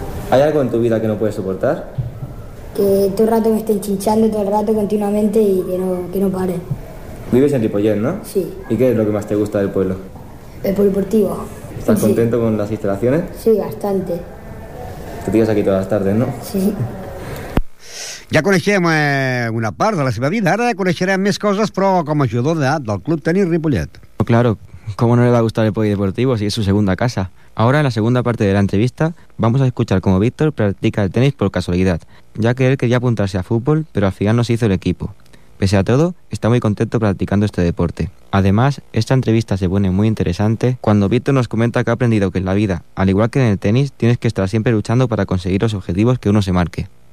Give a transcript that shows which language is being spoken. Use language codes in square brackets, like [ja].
[es] ¿Hay algo en tu vida que no puedes soportar? Que todo el rato me estén chinchando, todo el rato, continuamente, y que no pare. Vives en Ripollet, ¿no? Sí. ¿Y qué es lo que más te gusta del pueblo? El polideportivo. ¿Estás contento con las instalaciones? Sí, bastante. Te tiras aquí todas las tardes, ¿no? Sí. [ca] Ja coneixem una part de la seva vida. Ara coneixerem més coses, però com a jugador del club tenis Ripollet. [es] Claro, ¿cómo no le va a gustar el polideportivo si es su segunda casa? Ahora, en la segunda parte de la entrevista, vamos a escuchar cómo Víctor practica el tenis por casualidad, ya que él quería apuntarse a fútbol, pero al final no se hizo el equipo. Pese a todo, está muy contento practicando este deporte. Además, esta entrevista se pone muy interesante cuando Víctor nos comenta que ha aprendido que en la vida, al igual que en el tenis, tienes que estar siempre luchando para conseguir los objetivos que uno se marque.